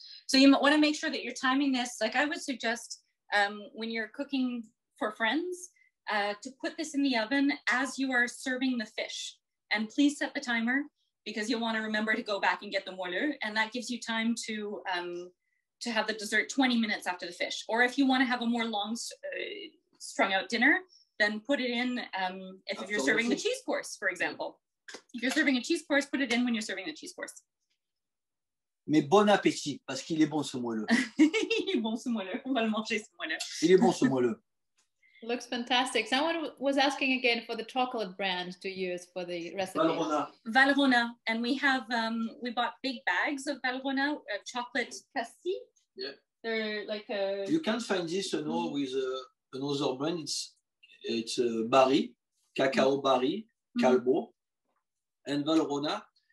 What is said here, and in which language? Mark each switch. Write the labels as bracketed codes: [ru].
[en] So you want to make sure that you're timing this. Like I would suggest when you're cooking for friends to put this in the oven as you are serving the fish, and please set the timer because you'll want to remember to go back and get the moelleux, and that gives you time to have the dessert 20 minutes after the fish. Or if you want to have a more long strung out dinner, then put it in if you're serving the cheese course, for example. If you're serving a cheese course, put it in when you're serving the cheese course. [fr] Mais bon appétit, parce qu'il est bon ce moelleux. Il est bon ce moelleux, on va le manger ce moelleux. Il est bon ce moelleux. [en] Looks fantastic. Someone was asking again for the chocolate brand to use for the recipe. Valrhona. Valrhona. And we have, we bought big bags of Valrhona, chocolate Cassis. Yeah. They're like a... You can find this, you know, with another brand. It's Barry, Cacao Barry, Calbo, and Valrhona.